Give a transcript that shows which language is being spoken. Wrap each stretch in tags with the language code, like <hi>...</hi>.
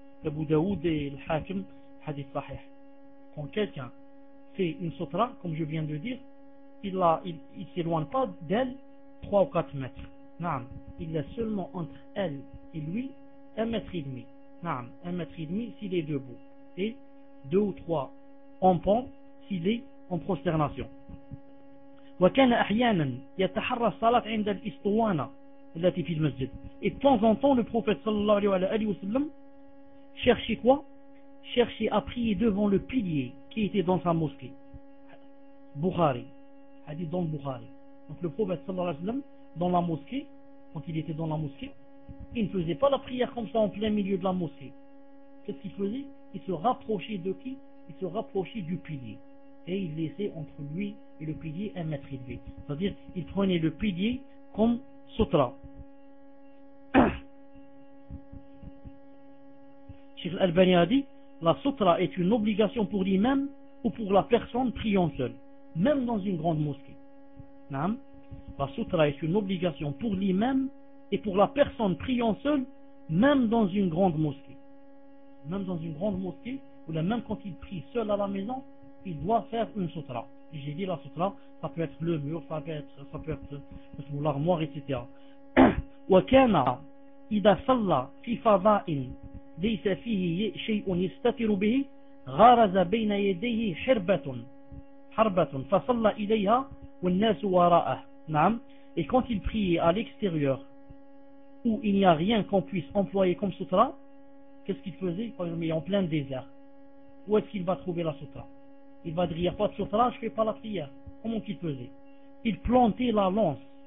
<fr>Abu Daoud et Al-Hakim, hadith sahih. Quand quelqu'un fait une sutra, comme je viens de dire, il s'éloigne pas d'elle 3 ou 4 mètres. Naam. Il est seulement entre elle et lui 1 mètre et demi. Naam. 1 mètre et demi s'il est debout. Et 2 ou 3 en pompe s'il est en prosternation.</fr> <ar>وكان احيانا يتحرى الصلاه عند الاسطوانه التي في المسجد.</ar> <fr>Et de temps en temps, le prophète sallallahu alayhi wa sallam cherchait quoi? Cherchait à prier devant le pilier qui était dans sa mosquée. Bukhari. Hadith dans le Bukhari. Donc le prophète sallallahu alayhi wa sallam, dans la mosquée, quand il était dans la mosquée, il ne faisait pas la prière comme ça en plein milieu de la mosquée. Qu'est-ce qu'il faisait? Il se rapprochait de qui? Il se rapprochait du pilier. Et il laissait entre lui et le pilier 1 mètre élevé. C'est-à-dire, il prenait le pilier comme sutra. Cheikh Al-Albani a dit, la sutra est une obligation pour l'imam ou pour la personne priant seule, même dans une grande mosquée. Naam. La sutra est une obligation pour l'imam et pour la personne priant seule, même dans une grande mosquée. Même dans une grande mosquée, ou même quand il prie seul à la maison, il doit faire une sutra. J'ai dit la sutra, ça peut être le mur, ça peut être l'armoire, etc.</fr> <ar>وكان إذا صلى في فضاء ليس فيه شيء يستتر به غرز بين يديه حربة فصلى إليها والناس وراءه. نعم.</ar> <fr>Et quand il priait à l'extérieur où il n'y a rien qu'on puisse employer comme sutra, qu'est-ce qu'il faisait? Par exemple, en plein désert, où est-ce qu'il va trouver la sutra? Il va dire, il n'y a pas de sutra, je ne fais pas la prière. Comment qu'il faisait? Il plantait la lance.</fr>